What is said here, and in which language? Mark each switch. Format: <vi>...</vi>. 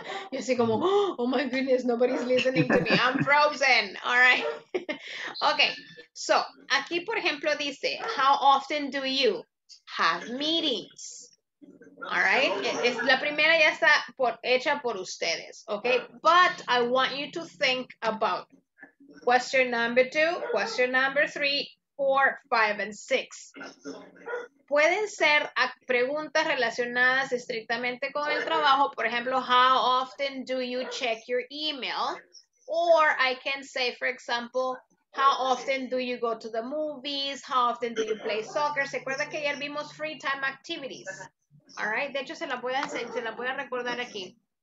<es>Yo así como,</es> <en>oh my goodness, nobody's listening to me. I'm frozen, all right? Okay, so,</en> <es>aquí por ejemplo dice,</es> <en>how often do you have meetings? All right?</en> <es>Es, la primera ya está por, hecha por ustedes, okay?</es> <en>But I want you to think about question number 2, question number 3, 4, 5, and 6.</en> <es>Pueden ser preguntas relacionadas estrictamente con el trabajo. Por ejemplo,</es> <en>how often do you check your email? Or I can say, for example, how often do you go to the movies? How often do you play soccer?</en> <es>¿Se acuerda que ayer vimos</es> <en>free time activities?</en> <es>All right. De hecho, se la voy a recordar aquí.</es>